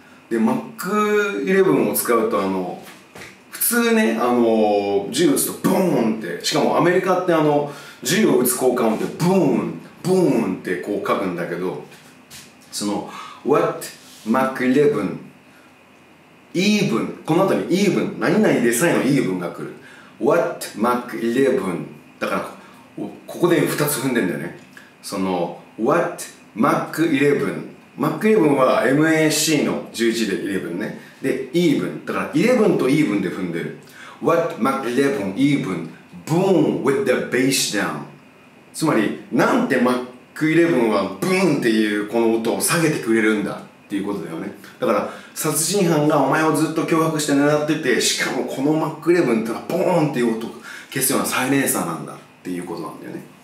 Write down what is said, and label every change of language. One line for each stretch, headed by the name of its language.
Japanese: で、Mac 11を使うと普通ね、銃撃つとブーンって、しかもアメリカって銃を撃つ効果音ってブーンブーンってこう書くんだけど、その
English: What Mac 11 Even、
Japanese: この後に Even、 何々でさえの Even が来る。
English: What Mac 11、
Japanese: だからここで2つ踏んでんだよね。その
English: What Mac 11、
Japanese: Mac 11は MAC の11で11ね。で、 Even、 だから11と Even で踏んでる。
English: What Mac 11 Even Boom with the bass down、
Japanese: つまりなんて Mac11クイレブンはブーンっていうこの音を下げてくれるんだっていうことだよね。だから殺人犯がお前をずっと脅迫して狙ってて、しかもこのマックイレブンってのはボーンっていう音を消すようなサイレンサーなんだっていうことなんだよね。